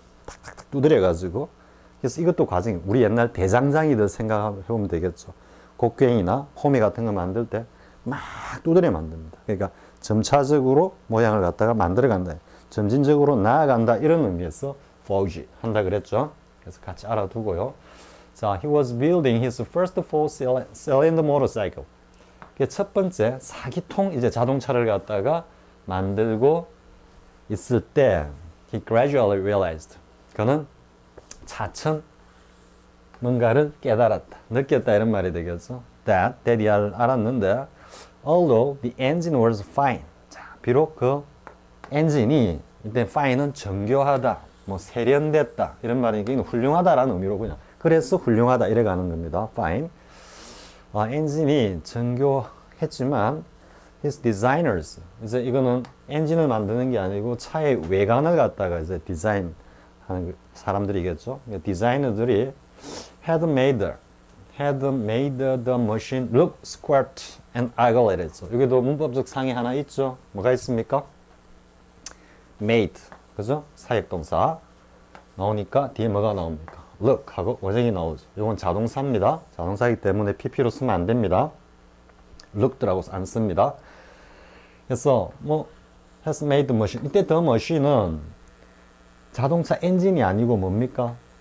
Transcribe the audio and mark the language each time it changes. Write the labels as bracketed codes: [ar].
[ko] 탁탁탁 두드려가지고. 그래서 이것도 과정이 우리 옛날 대장장이들 생각해 보면 되겠죠. 곡괭이나 호미 같은 거 만들 때막 두드려 만듭니다. 그러니까 점차적으로 모양을 갖다가 만들어 간다. 점진적으로 나아간다 이런 의미에서 포지 한다 그랬죠. 그래서 같이 알아두고요. [en] 자, he was building his first four cylinder motorcycle. [ko] 그첫 번째 사기통 이제 자동차를 갖다가 만들고 있을 때 [en] he gradually realized. [ko] 그는 차츰 뭔가를 깨달았다. 느꼈다 이런 말이 되겠죠. [en] That이야 [ko] 알았는데 [en] although the engine was fine. [ko] 자, 비록 그 엔진이 이때 fine은 정교하다. 뭐 세련됐다. 이런 말이니까 훌륭하다라는 의미로 그냥 그래서 훌륭하다 이래 가는 겁니다. [en] Fine. [ko] 엔진이 정교했지만 [en] his designers [ko] 이제 이거는 엔진을 만드는 게 아니고 차의 외관을 갖다가 이제 디자인 하는 사람들이겠죠. 디자이너들이 [en] had made the machine look squat and ugly [ko] 이랬죠. 여기도 문법적 상의 하나 있죠. 뭐가 있습니까? made 그죠? 사역동사 나오니까 뒤에 뭐가 나옵니까? look 하고 원형이 나오죠. 이건 자동사입니다. 자동사이기 때문에 PP로 쓰면 안 됩니다. looked라고 안 씁니다. 그래서 뭐 [en] has made the machine. [ko] 이때 the machine은 자동차 엔진이 아니고 뭡니까?